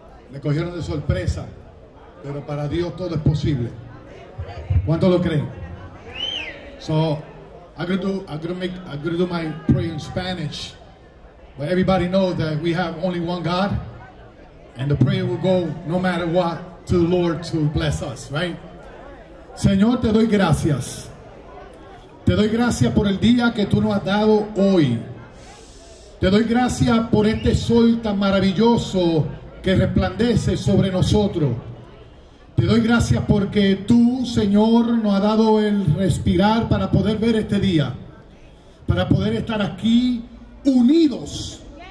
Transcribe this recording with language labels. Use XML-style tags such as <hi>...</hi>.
<es>Me cogieron de sorpresa, pero para Dios todo es posible. ¿Cuánto lo creen?</es> <en>So, I'm gonna do my prayer in Spanish. But everybody knows that we have only one God, and the prayer will go no matter what to the Lord to bless us, right?</en> <es>Señor, te doy gracias. Te doy gracias por el día que tú nos has dado hoy. Te doy gracias por este sol tan maravilloso que resplandece sobre nosotros. Te doy gracias porque tú, Señor, nos has dado el respirar para poder ver este día, para poder estar aquí unidos,</es>